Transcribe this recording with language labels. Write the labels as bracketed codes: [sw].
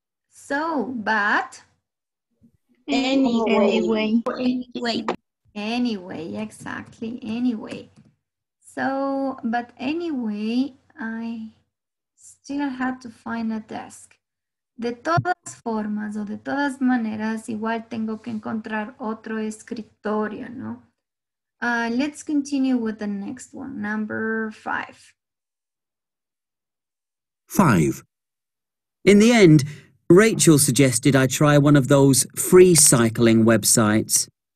[en] So, but? Anyway. Anyway, exactly, anyway. So, but anyway, I still had to find a desk. [es] De todas formas o de todas maneras, igual tengo que encontrar otro escritorio, ¿no? [en] Let's continue with the next one, number five. Five. In the end, Rachel suggested I try one of those free cycling websites.